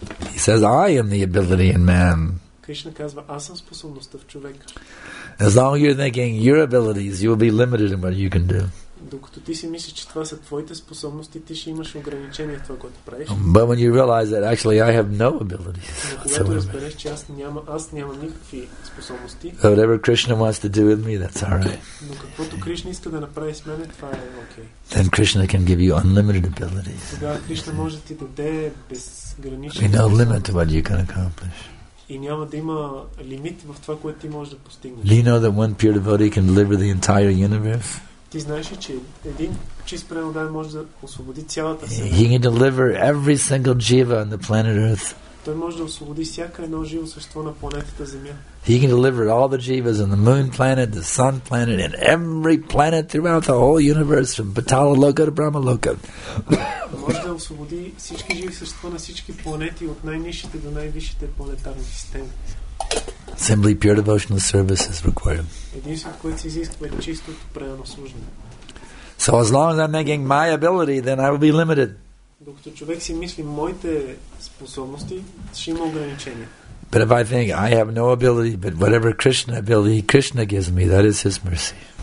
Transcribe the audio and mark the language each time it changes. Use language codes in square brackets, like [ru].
[en] He says, I am the ability in man. [bg] Кришна казва, аз съм способността в човека. [en] As long as you're thinking your abilities, you will be limited in what you can do. [bg] Докато ти си мислиш, че това са твоите способности, ти ще имаш ограничения в това, което правиш. [en] But when you realize that actually I have no abilities. [bg] Когато разбереш, че аз нямам никакви способности. [en] Whatever Krishna wants to do with me, that's all right. [bg] Но каквото Кришна иска да направи с мен, това е окей. [en] Then Krishna can give you unlimited abilities. [bg] Тогава Кришна може ти даде безгранични. [en] There's no limit to what you can accomplish. [bg] И няма да има лимит в това, което ти можеш да постигнеш. [en] Do you know that one pure devotee can deliver the entire universe? [bg] Ти знаеш ли, че един чист преданник може да освободи цялата Земя? [en] He can deliver every single jiva on the planet Earth. [bg] Той може да освободи всяко едно живо същество на планетата Земя. [en] He can deliver all the jivas on the moon planet, the sun planet, and every planet throughout the whole universe from Patala Loka to Brahma Loka. [bg] Може да освободи всички живи същества на всички планети от най-нишите до най-висшите планетарни системи. [en] Simply pure devotional service is required. [bg] Единственото, което се изисква, е чистото предано служение. [en] So as long as I'm making my ability, then I will be limited. [bg] Докато човек си мисли моите способности, ще има ограничения. [en] But if I think I have no ability, but whatever Krishna ability Krishna gives me, that is His mercy.